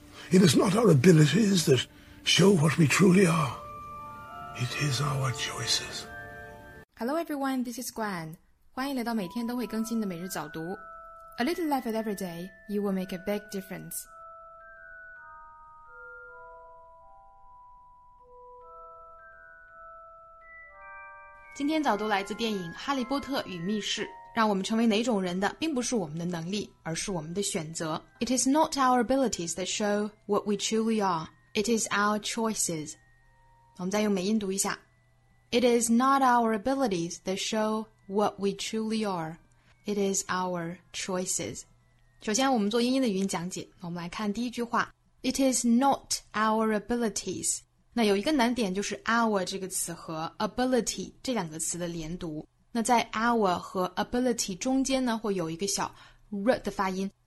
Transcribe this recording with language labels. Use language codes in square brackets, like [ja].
[en] It is not our abilities that show what we truly are. It is our choices. Hello everyone, this is Gwen. [zh] 欢迎来到每天都会更新的每日早读。 [en] A little life at every day, you will make a big difference. [zh] 今天早读来自电影《哈利波特与密室》，让我们成为哪种人的，并不是我们的能力，而是我们的选择。 [en] It is not our abilities that show what we truly are. It is our choices. [zh] 我们再用美音读一下。 [en] It is not our abilities that show what we truly are. It is our choices. [zh] 首先，我们做英音的语音讲解。我们来看第一句话。 [en] It is not our abilities. [zh] 那有一个难点就是 our 这个词和 ability 这两个词的连读。那在 our 和 ability 中间呢，会有一个小 r 的发音。